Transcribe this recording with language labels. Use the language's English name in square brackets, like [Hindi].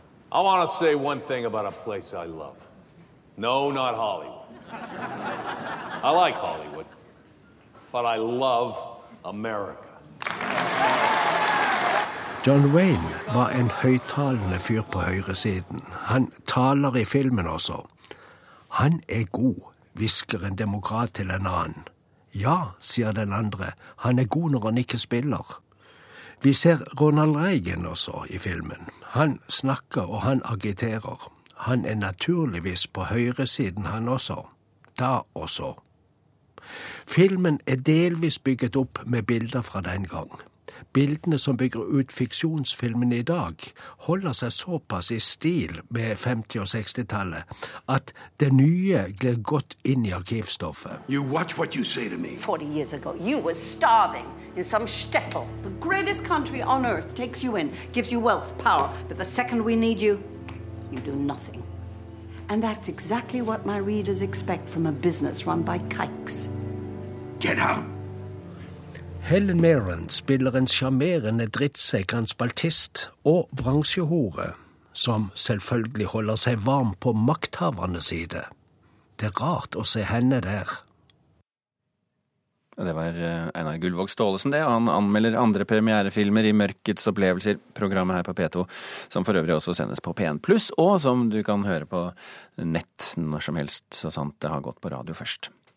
[English] I want to say one thing about a place I love. No, not Hollywood. I like Hollywood, but I love America. [Norwegian] John Wayne var en høytalende fyr på høyresiden. Han taler i filmen også. Han er god, visker en demokrat til en annen. Ja, sier den andre, han er god når han ikke spiller. Vi ser Ronald Reagan også i filmen. Han snakker og han agiterer. Han er naturligvis på høyresiden han også. Da også. Filmen er delvis bygget opp med bilder fra den gang. Bildene som bygger ut fiksjonsfilmen i dag holder seg såpass i stil med 50- og 60-tallet at det nye glir godt inn i arkivstoffet. [English] You watch what you say to me. 40 years ago, you were starving in some shtetl. The greatest country on earth takes you in, gives you wealth, power, but the second we need you, you do nothing. And that's exactly what my readers expect from a business run by kikes. Get out! [Norwegian] Helen Mirren spiller en charmerende drittsekk, en spaltist og bransjehore, som selvfølgelig holder seg varm på makthavernes side. Det er rart å se henne der. Det var Einar Gullvåg Staalesen det, og han anmelder andre premierefilmer i Mørkets opplevelser, programmet her på P2, som for øvrig også sendes på P1+, og som du kan høre på nett når som helst, så sant det har gått på radio først.